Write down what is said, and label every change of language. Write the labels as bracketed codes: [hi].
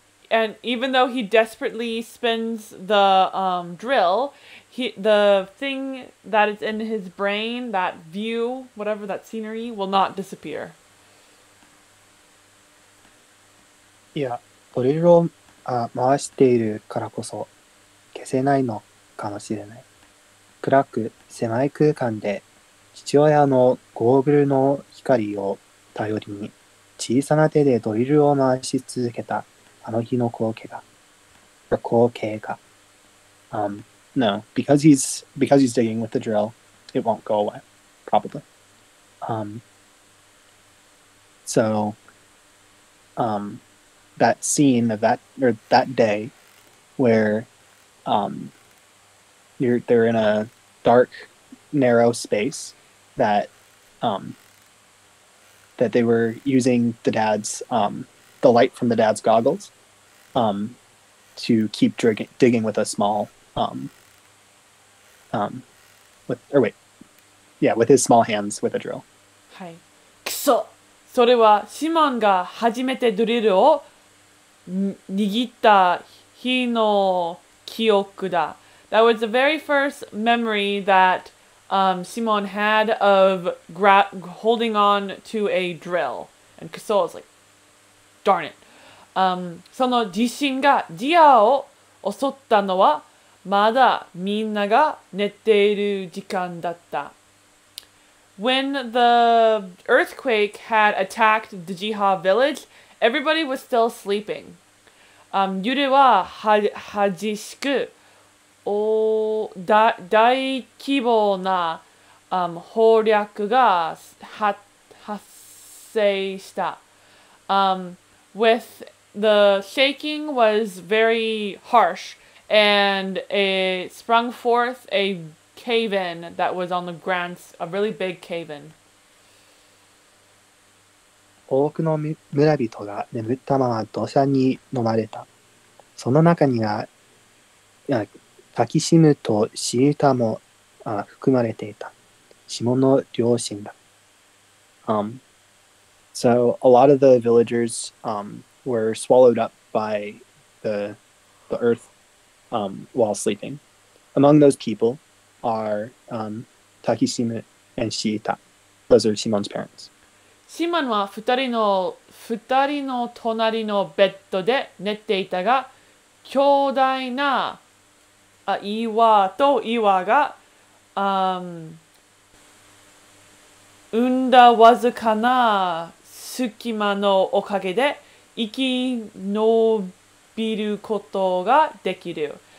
[en] And even though he desperately spins the drill, the thing that is in his brain, that view, whatever, that scenery, will not disappear. [ja] いや、ドリルを回しているからこそ消せないのかもしれない。暗く狭い空間で父親のゴーグルの光を頼りに小さな手でドリルを回し続けた。あの日の光景が、光景が。 [en] No, because he's digging with the drill, it won't go away, probably. That scene of that, or that day, where they're in a dark, narrow space that that they were using the dad's the light from the dad's goggles. To keep digging with a small, with his small hands with a drill. [ja] はい。クソ。それはシモンが初めてドリルを握った日の記憶だ。 [en] That was the very first memory that Simon had of holding on to a drill. And クソ was like, darn it. [ja] その地震がディアを襲ったのはまだみんなが寝ている時間だった。 [en] When the earthquake had attacked the Jiha village, everybody was still sleeping. [ja] 揺れは激しく、大規模な崩落が発生した。 [en] The shaking was very harsh, and it sprung forth a cave-in that was on the grounds, a really big cave-in. [ja] 多くの村人が眠ったまま土砂に飲まれた。その中には、タキシムとシータも含まれていた。下の両親だ。 [en] So a lot of the villagers, were swallowed up by the earth while sleeping. Among those people are Takishima and Shiita. Those are Shimon's parents. [ja] シマンは二人の隣のベッドで寝ていたが、強大な岩と岩が、生んだわずかな隙間のおかげで生き延びることができる。